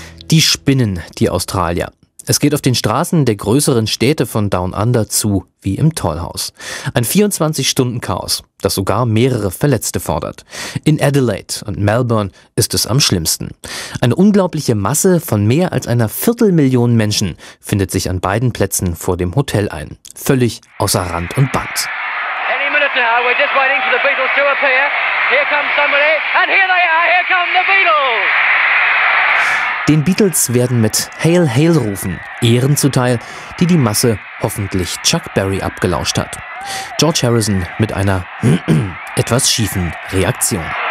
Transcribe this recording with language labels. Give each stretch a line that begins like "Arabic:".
German: Die spinnen, die Australier. Es geht auf den Straßen der größeren Städte von Down Under zu wie im Tollhaus. Ein 24-Stunden-Chaos, das sogar mehrere Verletzte fordert. In Adelaide und Melbourne ist es am schlimmsten. Eine unglaubliche Masse von mehr als einer Viertelmillion Menschen findet sich an beiden Plätzen vor dem Hotel ein. Völlig außer Rand und Band.
English: Any minute now, we're just waiting for the Beatles to appear. Here comes somebody, and here they are, here come the Beatles!
German: Den Beatles werden mit Hail Hail rufen Ehren zuteil, die die Masse hoffentlich Chuck Berry abgelauscht hat. George Harrison mit einer etwas schiefen Reaktion.